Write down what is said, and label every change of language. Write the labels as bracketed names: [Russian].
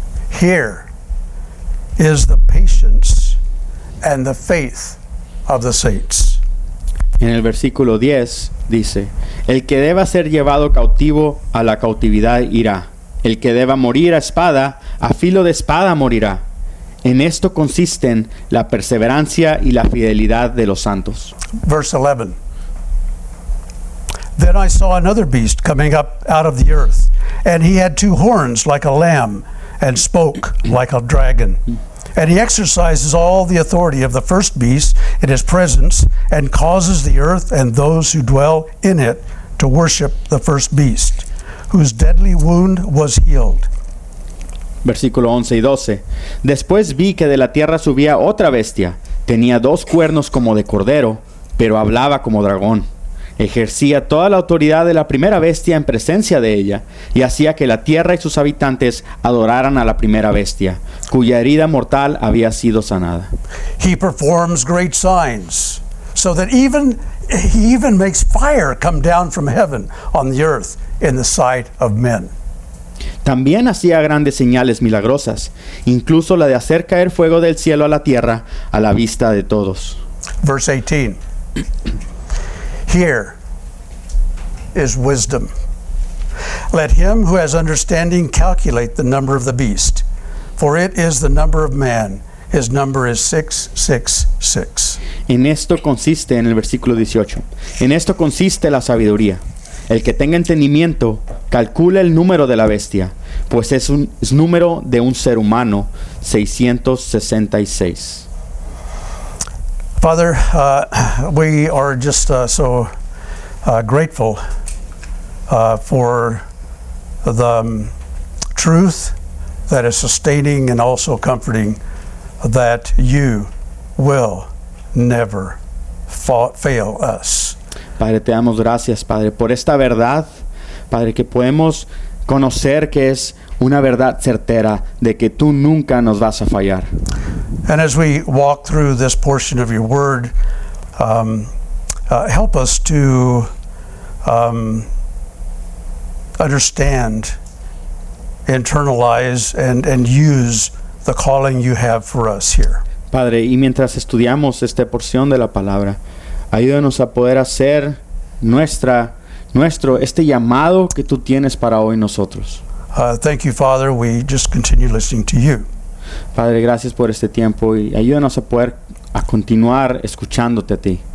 [English] Here is the patience and the faith of the saints. [Spanish] En el versículo 10 dice, el que deba ser llevado cautivo a la cautividad irá. El que deba morir a espada, a filo de espada morirá. En esto consisten la perseverancia y la fidelidad de los santos. [English] Verse 11. Then I saw another beast coming up out of the earth, and he had two horns like a lamb, and spoke like a dragon. And he exercises all the authority of the first beast in his presence, and causes the earth and those who dwell in it to worship the first beast, whose deadly wound was healed. [Spanish] Versículo 11 y 12. Después vi que de la tierra subía otra bestia. Tenía dos cuernos como de cordero, pero hablaba como dragón. Ejercía toda la autoridad de la primera bestia en presencia de ella, y hacía que la tierra y sus habitantes adoraran a la primera bestia, cuya herida mortal había sido sanada. [English] He performs great signs, so that he even makes fire come down from heaven on the earth in the sight of men. [Spanish] También hacía grandes señales milagrosas, incluso la de hacer caer fuego del cielo a la tierra a la vista de todos. [English] Verse 18. Here is wisdom. Let him who has understanding calculate the number of the beast, for it is the number of man. His number is 666. [Spanish] En esto consiste, en el versículo 18, en esto consiste la sabiduría. El que tenga entendimiento, calcule el número de la bestia, pues es un es número de un ser humano, 666. [English] Father, we are just so grateful for the truth that is sustaining and also comforting, that you will never fail us. [Spanish] Padre, te damos gracias, Padre, por esta verdad, Padre, que podemos conocer que es una verdad certera de que tú nunca nos vas a fallar. [English] And as we walk through this portion of your word, help us to understand, internalize, and use the calling you have for us here. [Spanish] Padre, y mientras estudiamos esta porción de la palabra, ayúdanos a poder hacer nuestro este llamado que tú tienes para hoy nosotros. [English] Thank you, Father. We just continue listening to you. [Spanish] Padre, gracias por este tiempo y ayúdanos a poder a continuar escuchándote a ti.